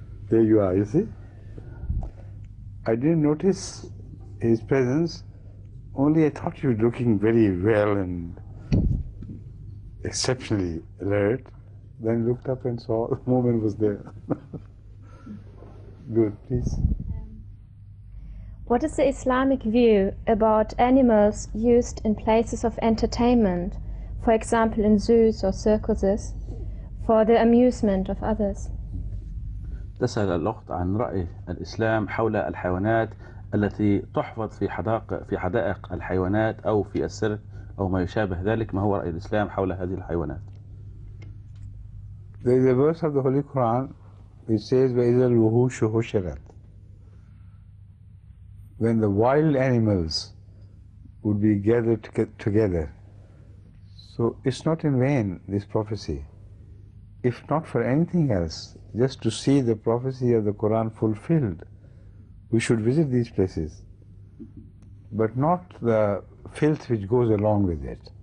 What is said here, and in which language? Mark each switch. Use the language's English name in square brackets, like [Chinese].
[English] There you are, you see. I didn't notice his presence, only I thought you were looking very well and exceptionally alert, then looked up and saw the woman was there. Good, please. What is the Islamic view about animals used in places of entertainment, for example in zoos or circuses, for the amusement of others? [Arabic] تسأل الأخت عن رأي الإسلام حول الحيوانات التي تحفظ في حدائق الحيوانات أو في السيرك أو ما يشابه ذلك. ما هو رأي الإسلام حول هذه الحيوانات؟ [English] There is a verse of the Holy Quran which says [Arabic] وَإِذَا الْوُحُوشُ حُشِرَتْ. [English] When the wild animals would be gathered together. So it's not in vain, this prophecy. If not for anything else, just to see the prophecy of the Quran fulfilled, we should visit these places, but not the filth which goes along with it.